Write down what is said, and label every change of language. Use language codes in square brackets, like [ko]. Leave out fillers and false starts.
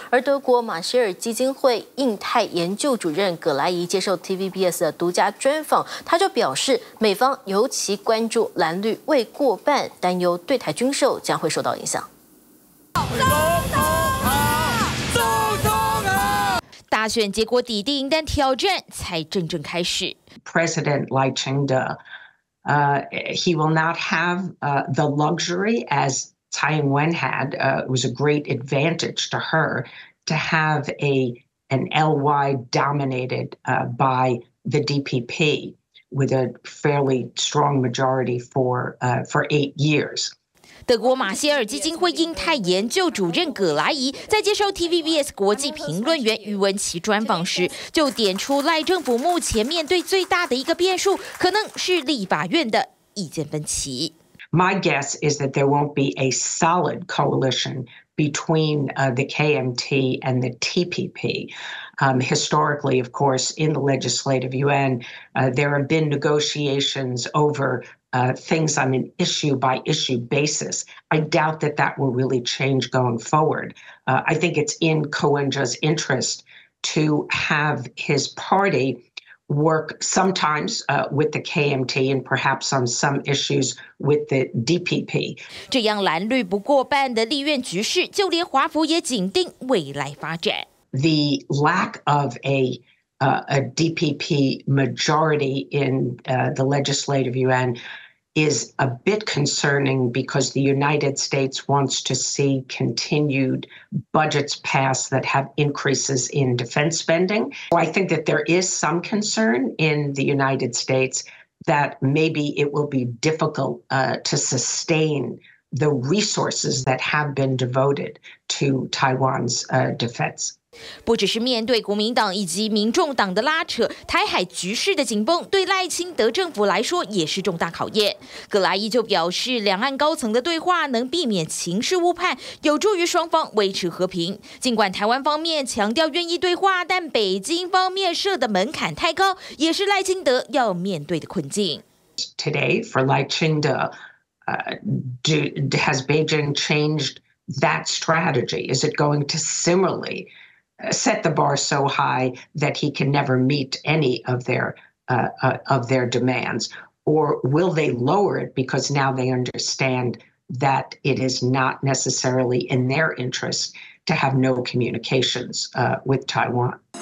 [zh] 而德国马歇尔基金会印太研究主任葛莱仪接受 TVBS 的独家专访，他就表示，美方尤其关注蓝绿未过半，担忧对台军售将会受到影响。大选结果抵定，但挑战才真正开始。 [en] President Lai Ching-te。 He will not have the luxury as Tsai Ing-wen had. It was a great advantage to her to have an LY dominated by the DPP with a fairly strong majority for 8 years. [zh] 德国马歇尔基金会印太研究主任葛莱仪在接受 TVBS 国际评论员余文琪专访时，就点出赖政府目前面对最大的一个变数，可能是立法院的意见分歧。 [en] My guess is that there won't be a solid coalition between the KMT and the TPP. Historically, of course, in the legislative UN, there have been negotiations over. Things on an issue by issue basis. I doubt that that will really change going forward. I think it's in Kowenja's interest to have his party work sometimes with the KMT and perhaps on some issues with the DPP. [zh] 这样蓝绿不过半的立院局势，就连华府也紧盯未来发展。 [en] The lack of a DPP majority in the legislative UN. Is a bit concerning because the United States wants to see continued budgets passed that have increases in defense spending. So I think that there is some concern in the United States that maybe it will be difficult to sustain the resources that have been devoted to Taiwan's defense. [zh] 不只是面对国民党以及民众党的拉扯，台海局势的紧绷对赖清德政府来说也是重大考验。葛莱仪就表示，两岸高层的对话能避免情势误判，有助于双方维持和平。尽管台湾方面强调愿意对话，但北京方面设的门槛太高，也是赖清德要面对的困境。 [en] today for Lai Ching-de, has Beijing changed that strategy? Is it going to similarly set the bar so high that he can never meet any of their demands? Or will they lower it because now they understand that it is not necessarily in their interest to have no communications with Taiwan?